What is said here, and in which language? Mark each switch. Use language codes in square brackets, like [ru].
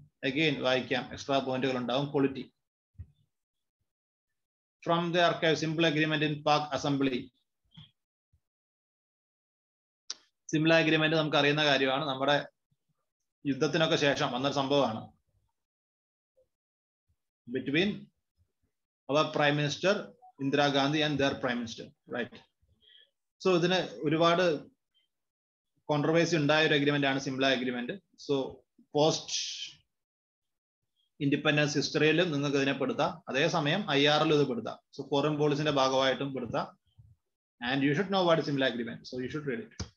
[en] again [ml] വായിക്കാം, extra പോയിന്റുകൾ ഉണ്ടാവും. [en] Quality from the archive, Simla agreement in Pak assembly. [ml] Simple agreement നമുക്ക് അറിയുന്ന കാര്യമാണ്, നമ്മുടെ യുദ്ധത്തിനൊക്കെ ശേഷം വന്ന സംഭവമാണ്. [en] Between our Prime Minister Indira Gandhi and their Prime Minister, right? [ml] So ഇതിനെ ഒരുപാട് കോൺട്രവേഴ്സി ഉണ്ടായ ഒരു അഗ്രിമെന്റ് ആണ് സിംപ്ല അഗ്രിമെന്റ്. സോ പോസ്റ്റ് ഇൻഡിപെൻഡൻസ് ഹിസ്റ്ററിയിലും നിങ്ങൾക്ക് ഇതിനെ പെടുത്താം, അതേസമയം IRലും ഇത് പെടുത്താം. [en] so [ml] foreign പോളിസിന്റെ ഭാഗമായിട്ടും പെടുത്താം. [en] And you should know what Simla agreement. So you should read it.